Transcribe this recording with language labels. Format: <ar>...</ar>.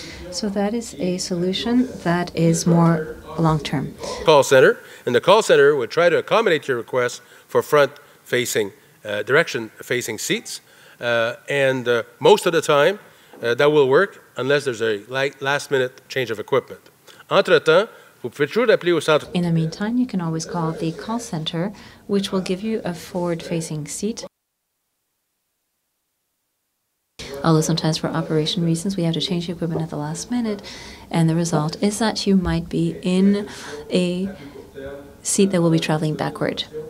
<en>So that is a solution that is more long-term. Call center, and the call center would try to accommodate your request for front-facing, direction-facing seats. And most of the time, that will work unless there's a last-minute change of equipment.</en> <fr>Entre-temps, vous pouvez toujours appeler au centre.</fr> <en>In the meantime, you can always call the call center, which will give you a forward-facing seat. Although sometimes for operation reasons, we have to change the equipment at the last minute. And the result is that you might be in a seat that will be traveling backward.</en>